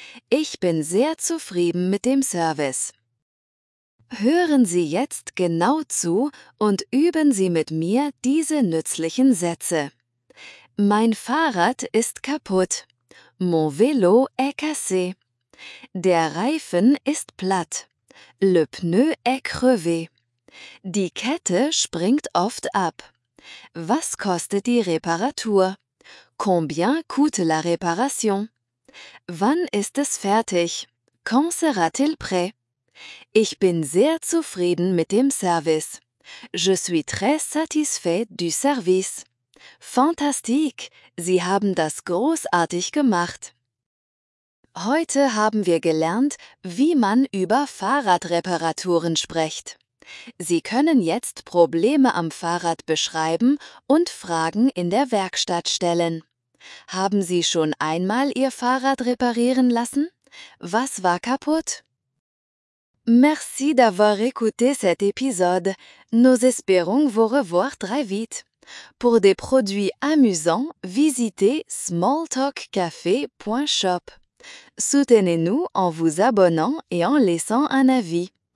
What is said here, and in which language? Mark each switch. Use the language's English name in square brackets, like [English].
[German] Ich bin sehr zufrieden mit dem Service. Hören Sie jetzt genau zu und üben Sie mit mir diese nützlichen Sätze. Mein Fahrrad ist kaputt. [French] Mon vélo est cassé. [German] Der Reifen ist platt. [French] Le pneu est crevé. [German] Die Kette springt oft ab. Was kostet die Reparatur? [French] Combien coûte la réparation? [German] Wann ist es fertig? [French] Quand sera-t-il prêt? [German] Ich bin sehr zufrieden mit dem Service. [French] Je suis très satisfait du service. Fantastique! [German] Sie haben das großartig gemacht. Heute haben wir gelernt, wie man über Fahrradreparaturen spricht. Sie können jetzt Probleme am Fahrrad beschreiben und Fragen in der Werkstatt stellen. Haben Sie schon einmal Ihr Fahrrad reparieren lassen? Was war kaputt? [French] Merci d'avoir écouté cet épisode. Nous espérons vous revoir très vite. Pour des produits amusants, visitez smalltalkcafé.shop. Soutenez-nous en vous abonnant et en laissant un avis.